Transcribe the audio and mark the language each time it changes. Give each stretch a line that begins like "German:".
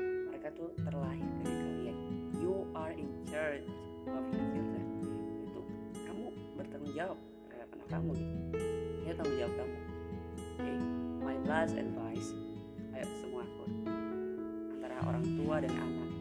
Indonesian: Mereka tuh terlahir dari kalian.
English: You are in charge of your children.
Indonesian: Itu kamu bertanggung jawab terhadap anak kamu gitu. Ini tanggung jawab kamu.
English: Okay, my last advice.
Indonesian: Ayo semua aku antara orang tua dan anak.